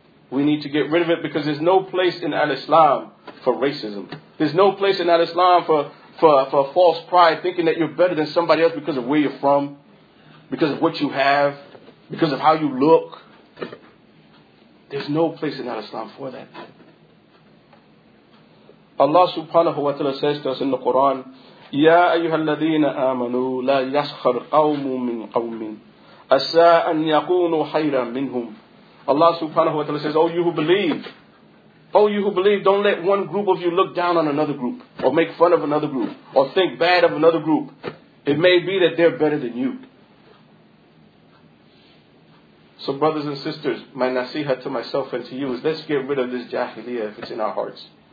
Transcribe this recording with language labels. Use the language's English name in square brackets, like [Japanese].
[English] We need to get rid of it because there's no place in Al-Islam for racism. There's no place in Al-Islam for false pride, thinking that you're better than somebody else because of where you're from, because of what you have, because of how you look. There's no place in Al-Islam for that. Allah subhanahu wa ta'ala says to us in the Quran, [Arabic] يَا أَيُّهَا الَّذِينَ آمَنُوا لَا يَسْخَرْ قَوْمٌ مِّنْ قَوْمٍ أَسَىٰ أَنْ يَقُونُوا خَيْرًا مِّنْهُمْ. [English] Allah subhanahu wa ta'ala says, O you who believe, don't let one group of you look down on another group, or make fun of another group, or think bad of another group. It may be that they're better than you. So brothers and sisters, my nasiha to myself and to you is, let's get rid of this jahiliyyah if it's in our hearts.